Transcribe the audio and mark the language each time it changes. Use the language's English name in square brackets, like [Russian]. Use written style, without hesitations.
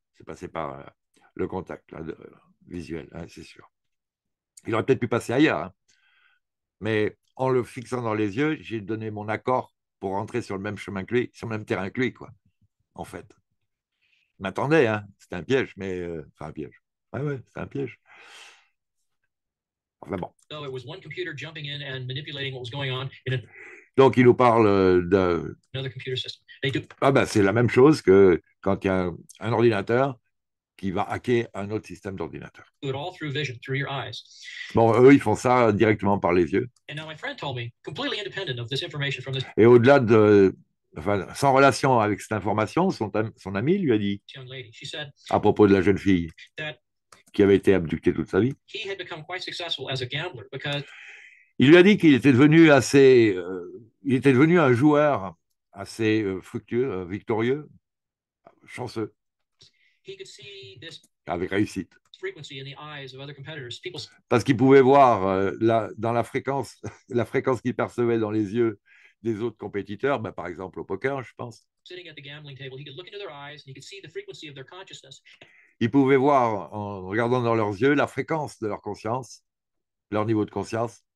[French] C'est passé par le contact là, visuel, hein, c'est sûr. Il aurait peut-être pu passer ailleurs, hein. Mais en le fixant dans les yeux, j'ai donné mon accord pour rentrer sur le même chemin que lui, sur le même terrain que lui, quoi, en fait. Il m'attendait, hein. C'était un piège, mais enfin un piège. Ouais, c'était un piège. Enfin bon. [English] No, it was one computer jumping in and manipulating what was going on in an... [French] Donc il nous parle de. [English] another computer system. They do... [French] Ah ben c'est la même chose que quand il y a un ordinateur qui va hacker un autre système d'ordinateur. [English] it all through vision, through your eyes. [French] Bon, eux, ils font ça directement par les yeux. [English] And now my friend told me, completely independent of this information from this [French] Et au-delà de. Enfin, sans relation avec cette information, son ami lui a dit, [English] young lady, she said [French] à propos de la jeune fille [English] that [French] qui avait été abductée toute sa vie, [English] he had become quite successful as a gambler because [French] il lui a dit qu'il était devenu il était devenu un joueur assez fructueux, victorieux, chanceux, [English] he could see this [French] avec réussite. [English] frequency in the eyes of other competitors. People... [French] Parce qu'il pouvait voir dans la fréquence qu'il percevait dans les yeux des autres compétiteurs, ben par exemple au poker, je pense. [English] sitting at the gambling table, he could look into their eyes and he could see the frequency of their consciousness. [French] Ils pouvaient voir en regardant dans leurs yeux la fréquence de leur conscience, leur niveau de conscience.